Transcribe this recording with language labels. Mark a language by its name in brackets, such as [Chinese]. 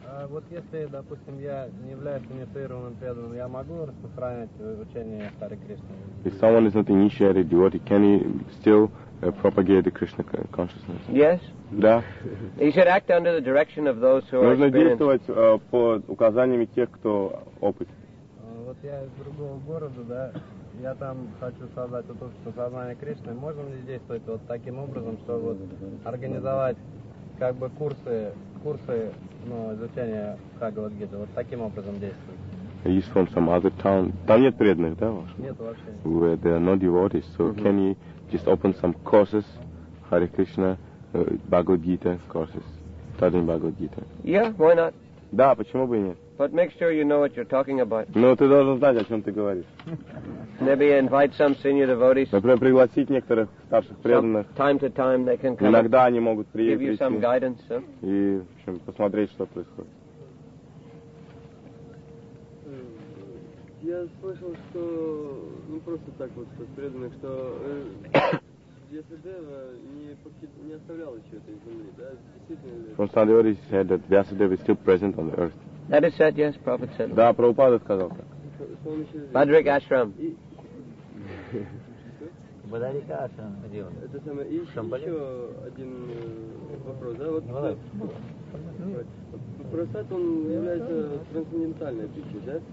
[Russian] Вот если, допустим, я не являюсь инициированным преданным, я могу распространять учение Харе Кришны? [English] If someone is not initiated devotee, can he still propagate the Krishna consciousness? Yes. [Russian] Да. [English] He should act under the direction of those who [Russian] Нужно [English] are experienced. [Russian] Нужно действовать под указаниями тех, кто опыт. Вот я из другого города, да, я там хочу создать вот общество сознания Кришны. Можно ли действовать вот таким образом, чтобы вот организовать как бы курсы, ну, изучение Бхагавад-гиты, вот таким образом действует. [English] He's from some other town. [Russian] Там нет преданных, да, ваш? Нет вообще. [English] Where there are no devotees, so mm-hmm. can you just open some courses, Hare Krishna, Бхагавад-гита courses, studying Бхагавад-гита? Yeah, why not? [Russian] Да, почему бы и нет? [English] But make sure you know what you're talking about. [Russian] Ну, ты должен знать, о чем ты говоришь. [English] Maybe invite some senior devotees. [Russian] Например, пригласить некоторых старших преданных. [English] So, time to time they can come. [Russian] Иногда они могут прийти. [English] Give you some guidance. So. [Russian] И, в общем, посмотреть, что происходит. Я слышал, что ну просто так вот что преданных, что [English] Vyasadeva already said that Vyasadeva is still present on the earth. That is said, yes, Prabhupada said. [Russian] Да, Прабхупада сказал так. [English] Bhadrik Ashram. [Russian] Бадарика Ашан, где он? Это самое, и еще один вопрос, да? Вот, давай. Прасад, он является трансцендентальной пищей, да?